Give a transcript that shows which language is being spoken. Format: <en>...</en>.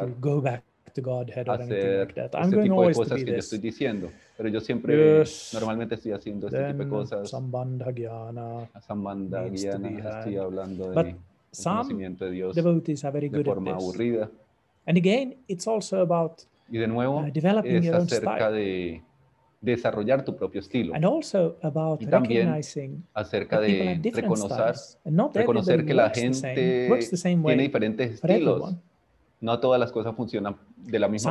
<en>To go back to Godhead or anything like that. I'm going always to be this.</en> <es>Que yo estoy diciendo, pero yo siempre normalmente estoy haciendo este tipo de cosas.</es> <sa>Sambandha Gyana.</sa> <es>Sambandha Gyana. Estoy hablando de conocimiento de Dios.</es> <en>Devotees are very good at this.</en> <es>De forma aburrida.</es> <en>And again, it's also about developing your own style.</en> <es>Y de nuevo es acerca de desarrollar tu propio estilo.</es> <en>And also about</en> <es>y también</es> <en>recognizing</en> <es>acerca de reconocer que la gente tiene diferentes estilos. No todas las cosas funcionan de la misma</es>